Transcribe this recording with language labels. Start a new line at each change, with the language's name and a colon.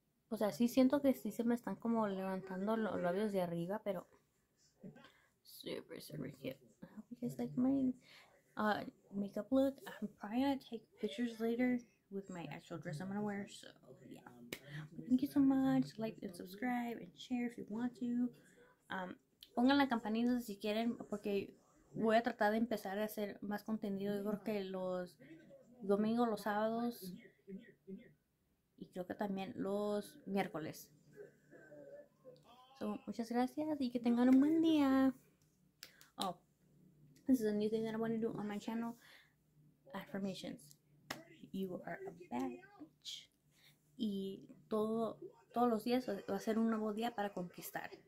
Spanish: O sea, sí siento que sí se me están como levantando los labios de arriba, pero
English: super, super cute. I hope you guys like my makeup look. I'm probably gonna take pictures later with my actual dress I'm gonna wear, so yeah. But thank you so much. Like and subscribe and share if you want to.
Spanish: Pongan la campanita si quieren, porque voy a tratar de empezar a hacer más contenido. Yo creo que los domingos, los sábados. Y creo que también los miércoles. So, muchas gracias y que tengan un buen día.
English: Oh, this is a new thing that I want to do on my channel. Affirmations. You are a bad bitch.
Spanish: Y todos los días va a ser un nuevo día para conquistar.